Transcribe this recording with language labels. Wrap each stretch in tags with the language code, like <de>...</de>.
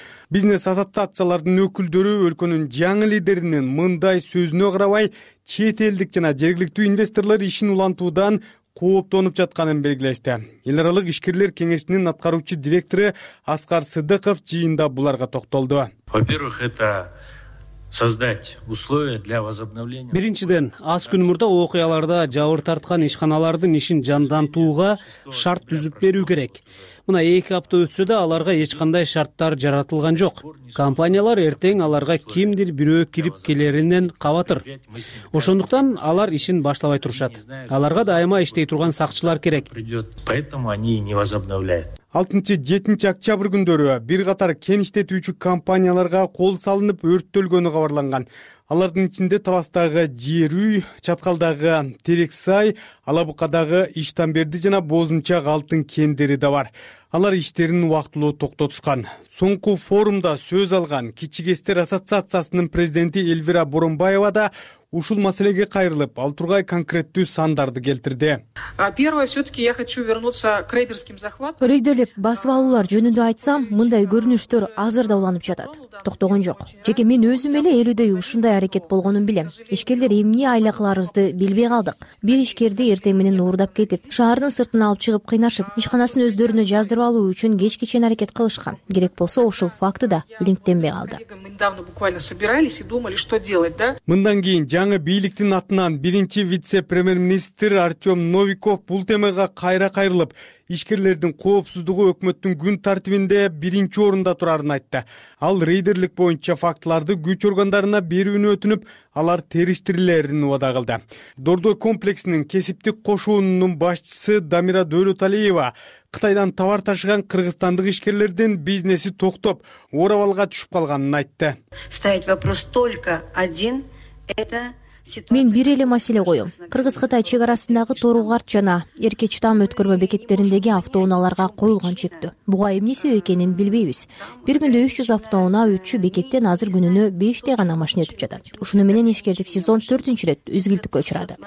<ky>Бизнес ассоциациялардын өкүлдөрү өлкөнүн жаңы лидеринин мындай сөзүнө карабай, чет элдик жана жергиликтүү инвесторлор ишин улантуудан кооптонуп жатканын белгилешти. Эл аралык ишкерлер кеңешинин аткаруучу директору Аскар Сыдыков жыйында буларга токтолду.</ky> <ru>Во-первых, это создать условия для возобновления.</ru> <ky>Биринчиден, аз күн мурда окуяларда жабыр тарткан ишканалардын ишин жандантууга шарт түзүп берүү керек. Мына 2 апта өтсө да аларга эч кандай шарттар жаратылган жок. Компаниялар эртең аларга кимдир бирөө кирип келеринен кабатыр. Ошондуктан алар ишин баштабай турушат. Аларга дайыма иштей турган сакчылар керек.</ky> <ru>Поэтому они не возобновляют.</ru> <ky>6-7 октябрь күндөрү бир катар кеңиштетүүчү компанияларга кол салынып өрттөлгөнү кабарланган. Алардын ичинде Таластагы Жер үй, Чаткалдагы Терек сай, Алабыкадагы Иштамберди жана Бозунчак алтын кендери да бар. Алар иштерин убактылуу токтотушкан. Соңку форумда сөз алган Кичигестер ассоциациясынын президенти Эльвира Боронбаева да ушул маселеге кайрылып, ал тургай конкреттүү сандарды келтирди.</ky> <ru>Первое, все-таки я хочу вернуться к рейдерским захватам.</ru> <ky>Рейдерлик басып алуулар жөнүндө айтсам, мындай көрүнүштөр азыр да уланып жатат. Токтогон жок. Жеке мен өзүм эле элүүдө ушундай аракет болгонун билем. Ишкерлер эмне айлакларыбызды билбей калдык. Бир ишкерди эртең менен уурдап кетип, шаардын сыртына алып чыгып кыйнашып, ишканасын өздөрүнө жаздырып алуу үчүн кеч кечен аракет кылышкан. Керек болсо ушул факты да илинктенбей калды. Мындан кийин жаңы бийликтин атынан биринчи вице-премьер-министр Артем Новиков бул темага кайра кайрылып, ишкерлердин коопсуздугу өкмөттүн күн тартибинде биринчи орунда турарын айтты. Ал рейдерлик боюнча фактыларды күч органдарына берүүнү өтүнүп, алар териштирилерин убада кылды. Дордой комплексинин кесиптик кошуунунун башчысы Дамира Дөөлөталиева Кытайдан товар ташыган кыргызстандык ишкерлердин бизнеси токтоп, оорабалга түшүп калганын айтты.</ky> <ru>Ставить вопрос только один.</ru> <ky>Мен бир эле маселе коем. Кыргыз Кытай чек арасындагы Торугарт жана Эрке Чытам өткөрмө бекеттериндеги автоунааларга коюлган чектөө. Буга эмне себеп экенин билбейбиз. Бир күндө 300 автоунаа өтчү бекеттен азыр күнүнө 5 гана машина өтүп жатат. Ушуну менен ишкерлик сезон 4-үнчү ирет үзгүлтүккө учурады.</ky>